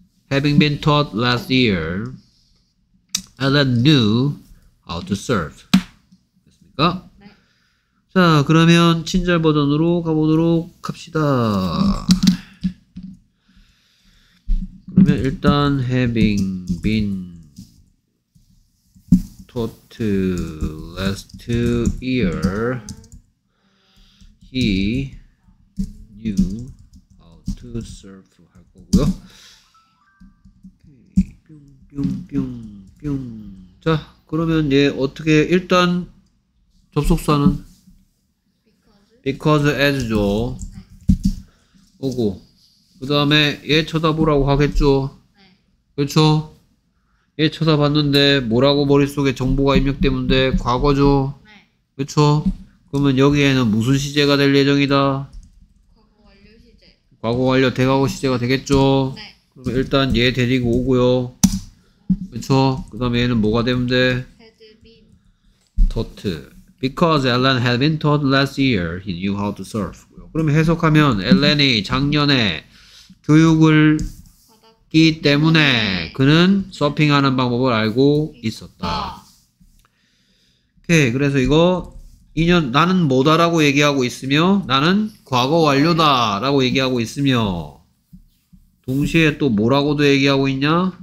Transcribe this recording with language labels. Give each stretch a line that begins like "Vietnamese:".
English: Having been taught last year, Ella knew how to serve.
Korean: 됐습니까? 네. 자, 그러면 친절 버전으로 가보도록 합시다. 그러면 일단
English: having been taught last year, he knew how to serve
Korean: 할 거고요. 뿅, 뿅, 뿅, 뿅. 자. 그러면 얘 어떻게 일단 접속사는
English: because
Korean: as죠. 오고 그 다음에 얘 쳐다보라고 하겠죠. 네. 그렇죠. 얘 쳐다봤는데 뭐라고 머릿속에 정보가 입력되면 돼. 과거죠. 네. 그렇죠. 그러면 여기에는 무슨 시제가 될 예정이다. 과거 완료 시제. 과거 완료 대과거 시제가 되겠죠. 네. 그럼 일단 얘 데리고 오고요. 그쵸? 그 다음에 얘는 뭐가 되면 돼?
English: had been taught Because Ellen had been taught last year, he knew how to surf.
Korean: 그럼 해석하면 엘렌이 작년에 교육을 받았기 때문에 그는 서핑하는 방법을 알고 있었다. 오케이, 그래서 이거 2년 나는 뭐다라고 얘기하고 있으며 나는 과거 완료다라고 얘기하고 있으며 동시에 또 뭐라고도 얘기하고 있냐?